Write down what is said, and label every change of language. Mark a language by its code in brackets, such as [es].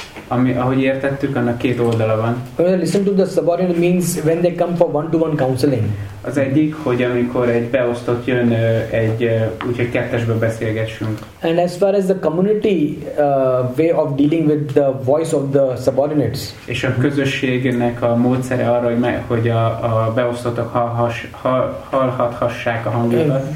[hu] Ami, ahogy értettük, annak két oldala van. [en] Listen to the subordinate means when they come for one-to-one counseling. [hu] Az egyik, hogy amikor egy beosztott jön, egy úgyhogy kettesbe beszélgessünk. [en] And as far as the community way of dealing with the voice of the subordinates. [hu] És a közösségnek a módszere arra, hogy a beosztottak hallhathassák a hangjukat.